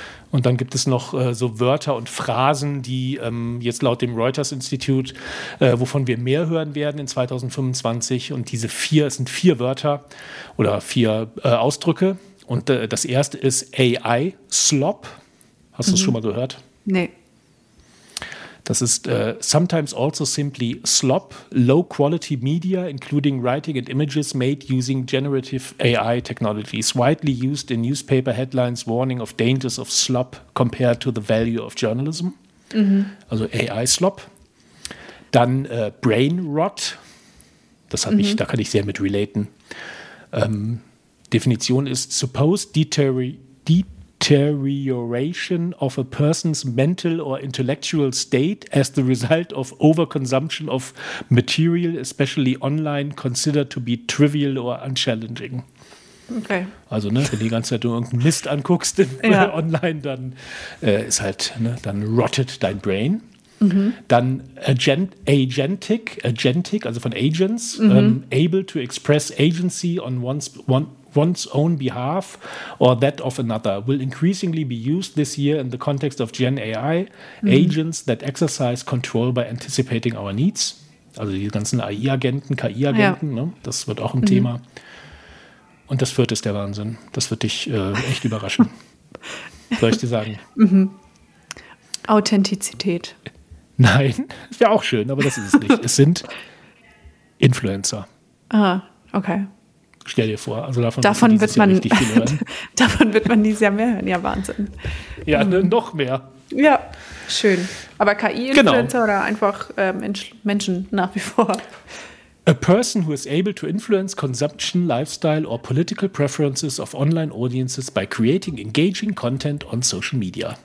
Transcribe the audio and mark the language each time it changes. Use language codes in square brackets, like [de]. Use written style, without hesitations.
[de] Und dann gibt es noch so Wörter und Phrasen, die jetzt laut dem Reuters-Institut, wovon wir mehr hören werden in 2025. Und diese vier, es sind vier Wörter oder vier Ausdrücke. Und das erste ist AI, Slop. Hast du es schon mal gehört? Nee. Das ist [en] sometimes also simply slop, low-quality media, including writing and images made using generative AI technologies, widely used in newspaper headlines, warning of dangers of slop compared to the value of journalism. [de] Mhm. Also AI-Slop. Dann brain rot. Das habe ich, da kann ich sehr mit relaten. Definition ist [en] supposed deterioration of a person's mental or intellectual state as the result of overconsumption of material, especially online, considered to be trivial or unchallenging. [de] Okay. Also, ne, wenn die ganze Zeit du irgendeinen Mist anguckst online, dann ist halt, ne, dann rottet dein Brain. Mhm. Dann agentic, also von Agents, [en] able to express agency on one's one's own behalf or that of another will increasingly be used this year in the context of Gen AI, agents that exercise control by anticipating our needs. [de] Also die ganzen AI-Agenten, KI-Agenten, ja. Ne? Das wird auch ein Thema. Und das vierte ist der Wahnsinn. Das wird dich echt überraschen. Soll ich dir sagen? Authentizität. Nein, das wäre auch schön, aber das ist es nicht. Es sind Influencer. Ah, okay. Stell dir vor, also davon wird man richtig viel hören. Davon wird man dieses Jahr mehr hören. Ja, Wahnsinn. Ja, noch mehr. Ja, schön. Aber KI-Influencer oder einfach Menschen nach wie vor? [en] A person who is able to influence consumption, lifestyle or political preferences of online audiences by creating engaging content on social media.